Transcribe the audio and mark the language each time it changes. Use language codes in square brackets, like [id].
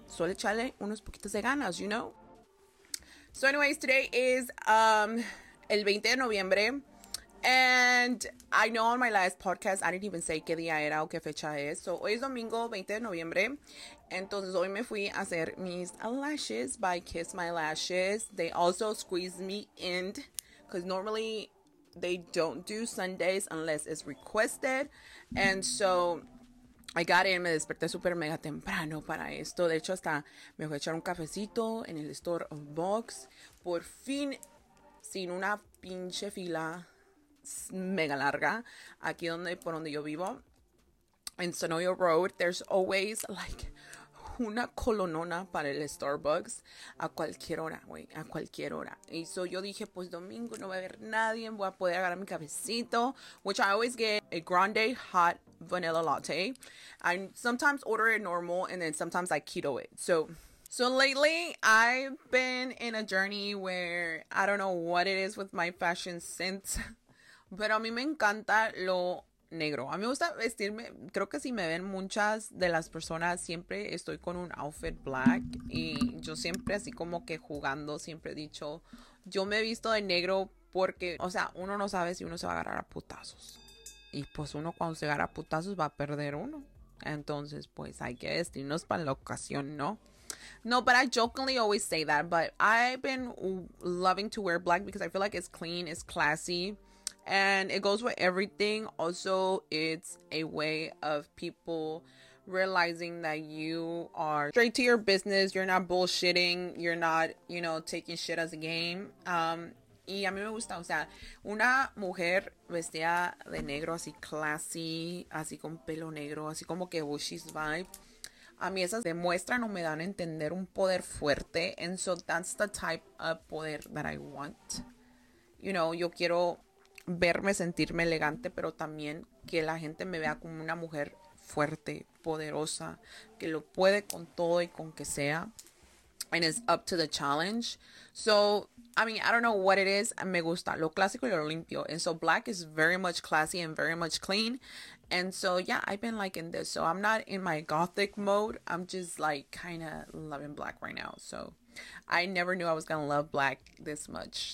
[es] Solo echarle unos poquitos de ganas, [en] you know? So anyways, today is [es] el 20 de noviembre, [en] and I know on my last podcast I didn't even say [es] qué día era o qué fecha es. So hoy es domingo 20 de noviembre, entonces hoy me fui a hacer mis lashes by Kiss My Lashes. [en] They also squeezed me in, because normally they don't do Sundays unless it's requested, and so I got in, [es] me desperté super mega temprano para esto. De hecho, hasta me fui a echar un cafecito en el store of box. Por fin, sin una pinche fila mega larga aquí donde, por donde yo vivo. En Sonoya Road, [en] there's always like [es] una colonona para el Starbucks a cualquier hora, güey, a cualquier hora. Y so yo dije, pues domingo no va a haber nadie, voy a poder agarrar mi cafecito, [en] which I always get a grande hot vanilla latte. I sometimes order it normal and then sometimes I keto it. So lately I've been in a journey where I don't know what it is with my fashion sense, [es] pero a mí me encanta lo negro. A mí me gusta vestirme, creo que si me ven muchas de las personas, siempre estoy con un outfit black, y yo siempre así como que jugando siempre he dicho, yo me he visto de negro porque, o sea, uno no sabe si uno se va a agarrar a putazos, y pues uno cuando se agarra a putazos va a perder uno, entonces pues hay que vestirnos para la ocasión, ¿no? [en] No, but I jokingly always say that, but I've been loving to wear black because I feel like it's clean, it's classy, and it goes with everything. Also, it's a way of people realizing that you are straight to your business. You're not bullshitting. You're not, you know, taking shit as a game. [es] Y a mí me gusta, o sea, una mujer vestida de negro, así classy, así con pelo negro, así como que bushy's vibe. A mí esas demuestran o me dan a entender un poder fuerte. [en] And so that's the type of poder that I want. You know, [es] yo quiero verme, sentirme elegante, pero también que la gente me vea como una mujer fuerte, poderosa, que lo puede con todo y con que sea. [en] And it's up to the challenge. So, I mean, I don't know what it is. [es] Me gusta lo clásico y lo limpio. [en] And so black is very much classy and very much clean. And so, yeah, I've been liking this. So I'm not in my gothic mode. I'm just like kind of loving black right now. So I never knew I was going to love black this much.